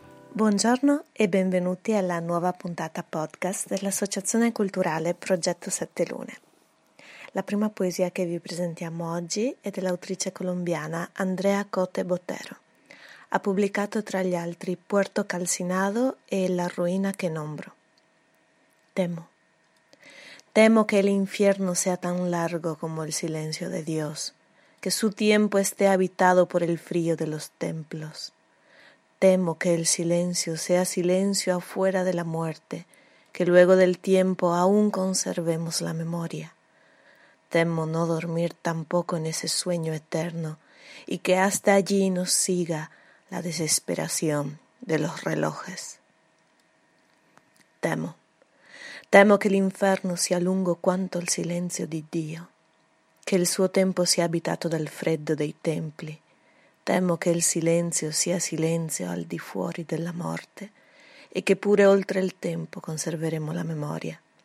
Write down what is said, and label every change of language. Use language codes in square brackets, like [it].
[it] Buongiorno e benvenuti alla nuova puntata podcast dell'Associazione Culturale Progetto Sette Lune. La prima poesia che vi presentiamo oggi è dell'autrice colombiana Andrea Cote Botero. Ha pubblicato tra gli altri Puerto Calcinado e La ruina che nombro. [es] Temo. Temo que el infierno sea tan largo como el silencio de Dios, que su tiempo esté habitado por el frío de los templos. Temo que el silencio sea silencio afuera de la muerte, que luego del tiempo aún conservemos la memoria. Temo no dormir tampoco en ese sueño eterno y que hasta allí nos siga la desesperación de los relojes. Temo. [it] Temo que l'inferno sia lungo quanto il silenzio di Dio, che il suo tempo sia abitato dal freddo dei templi. Temo che il silenzio sia silenzio al di fuori della morte e che pure oltre il tempo conserveremo la memoria.